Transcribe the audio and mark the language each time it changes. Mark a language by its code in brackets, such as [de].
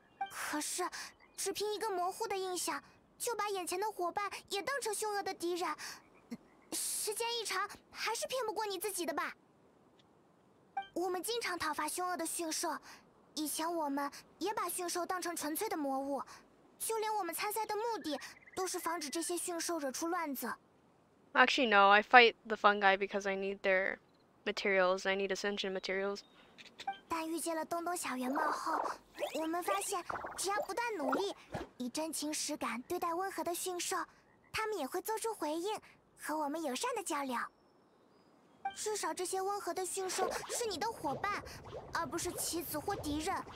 [zh] 可是，只凭一个模糊的印象，就把眼前的伙伴也当成凶恶的敌人，时间一长，还是骗不过你自己的吧。我们经常讨伐凶恶的驯兽，以前我们也把驯兽当成纯粹的魔物，就连我们参赛的目的。都是防止这些驯兽惹出乱子。 [en] Actually, no. I fight the fungi because I need their materials. I need ascension materials. [zh] 但遇见了东东小圆帽后，我们发现，只要不断努力，以真情实感对待温和的驯兽，他们也会做出回应，和我们友善的交流。至少这些温和的驯兽是你的伙伴，而不是棋子或敌人。